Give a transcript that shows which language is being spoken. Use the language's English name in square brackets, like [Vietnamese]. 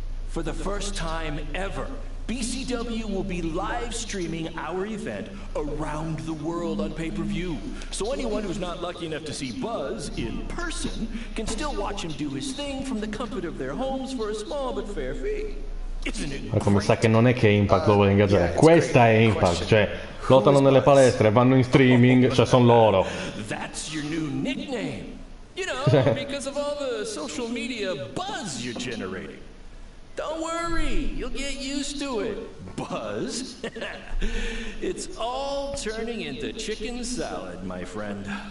[English] For the first time ever, BCW will be live streaming our event around the world on pay-per-view. So anyone who's not lucky enough to see Buzz in person can still watch him do his thing from the comfort of their homes for a small but fair fee. [Italian] Ma come sa che non è che Impact lo vuole ingaggiare? Yeah, questa è Impact, cioè lottano nelle palestre, vanno in streaming, cioè sono loro. [English] That's your new nickname. You know, because of all the social media buzz you're generating. Don't worry, you'll get used to it. Buzz? It's all turning into chicken salad, my friend.